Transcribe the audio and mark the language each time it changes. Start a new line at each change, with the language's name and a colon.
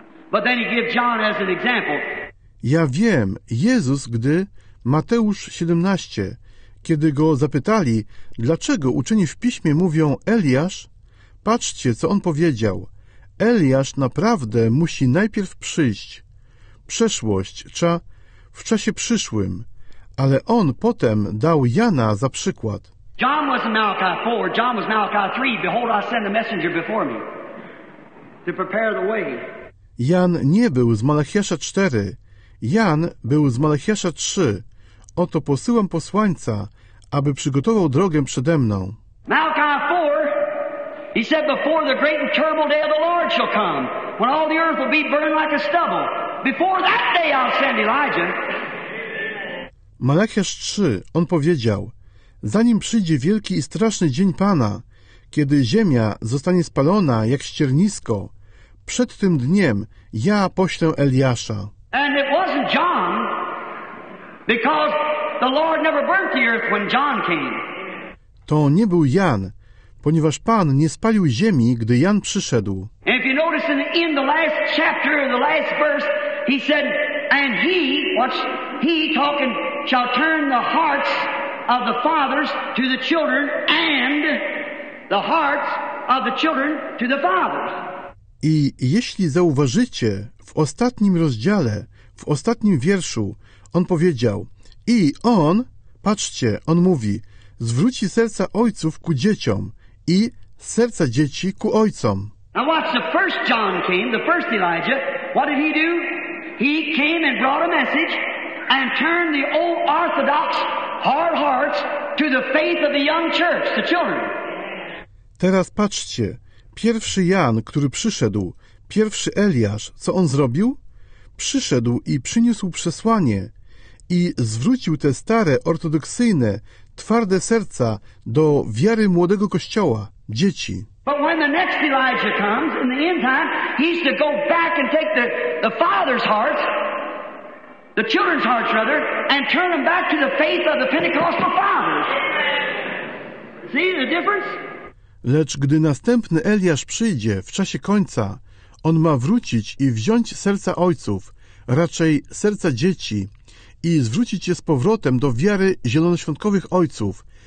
English: But then he gave John as an example.
Polish: Ja wiem, Jezus, gdy Mateusz 17, kiedy go zapytali, dlaczego uczeni w piśmie mówią Eliasz, patrzcie, co on powiedział. Eliasz naprawdę musi najpierw przyjść. Przeszłość w czasie przyszłym. Ale on potem dał Jana za przykład.
English: John was in Malachi 4, John was Malachi 3. Behold, I send a messenger before me to prepare the way.
Polish: Jan nie był z Malachiasza 4. Jan był z Malachiasza 3. Oto posyłam posłańca, aby przygotował drogę przede mną.
English: Malachi 4, he said before the great and terrible day of the Lord shall come, when all the earth will be burned like a stubble. Before that day I'll send Elijah.
Polish: Malachiasz 3, on powiedział, zanim przyjdzie wielki i straszny dzień Pana, kiedy ziemia zostanie spalona jak ściernisko, przed tym dniem ja poślę Eliasza.
English: And it wasn't John, because the Lord never burnt the earth when John came.
Polish: To nie był Jan, ponieważ Pan nie spalił ziemi, gdy Jan przyszedł.
English: And if you notice in the last chapter, in the last verse, he said, and he, watch, he talking, shall turn the hearts of the fathers to the children and the hearts of the children to the fathers.
Polish: I jeśli zauważycie, w ostatnim rozdziale, w ostatnim wierszu, on powiedział, i on, patrzcie, on mówi, zwróci serca ojców ku dzieciom i serca dzieci ku ojcom.
English: Now watch, the first John came, the first Elijah, what did he do? He came and brought a message and turned the old orthodox hard hearts to the faith of the young church, the children.
Polish: Teraz patrzcie, pierwszy Jan, który przyszedł, pierwszy Eliasz, co on zrobił? Przyszedł i przyniósł przesłanie i zwrócił te stare, ortodoksyjne, twarde serca do wiary młodego kościoła, dzieci.
English: But when the next Elijah comes, in the end time, he's to go back and take the father's hearts, the children's hearts rather, and turn them back to the faith of the Pentecostal fathers. See the difference?
Polish: Lecz gdy następny Eliasz przyjdzie w czasie końca, on ma wrócić i wziąć serca ojców, raczej serca dzieci, i zwrócić je z powrotem do wiary zielonoświątkowych ojców.